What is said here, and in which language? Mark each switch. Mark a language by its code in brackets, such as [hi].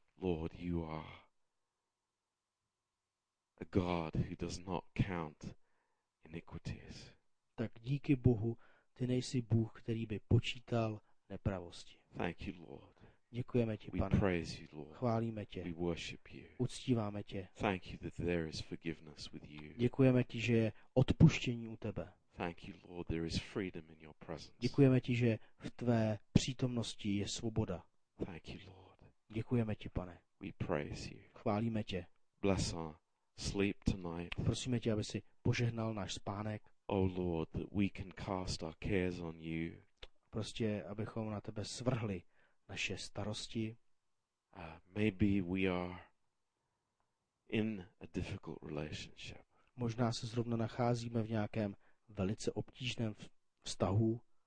[en] Lord, you are a God who does not count iniquities. [cs] Tak díky Bohu, ty nejsi Bůh, který by počítal nepravosti. [en] Thank you, Lord. [cs] Děkujeme ti, [en] we [cs] Pane. [en] We praise you, Lord. [cs] Chválíme tě. [en] We worship you. [cs] Uctíváme tě. [en] Thank you that there is forgiveness with you. [cs] Děkujeme ti, že je odpuštění u tebe. [en] Thank you, Lord, there is freedom in your presence. [cs] Děkujeme ti, že v tvé přítomnosti je svoboda. [en] Thank you, Lord. [cs] Děkujeme ti, Pane. [en] We praise you. [cs] Chválíme tě. [en] Bless our sleep tonight. [cs] Prosíme tě, aby si požehnal náš spánek. [en] Oh Lord, that we can cast our cares on you. [cs] Prostě abychom na tebe svrhli naše starosti. [en] Maybe we are in a difficult relationship. [cs] Možná se zrovna nacházíme v nějakém velice obtížném vztahu.